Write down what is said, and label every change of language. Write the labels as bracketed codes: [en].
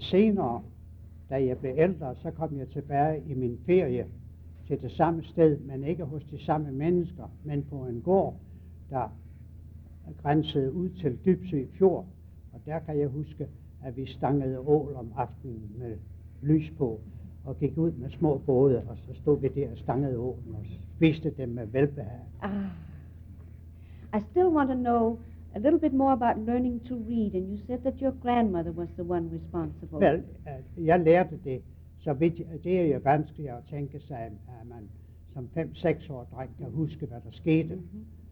[da] Senere, da jeg blev ældre, så kom jeg tilbage i min ferie til det samme sted, men ikke hos de samme mennesker, men på en gård, der grænsede ud til Dybsø Fjord. Og der kan jeg huske, at vi stangede ål om aftenen med lys på, og gik ud med små både, og så stod vi der og stangede åben og spiste dem med velbehag. [en] I still want to know a little bit more about learning to read, and you said that your grandmother was the one responsible. [da] Well, jeg lærte det, så vidt det er jo vanskeligt at tænke sig, at man som 5-6 år dreng kan huske, hvad der skete. Mm-hmm.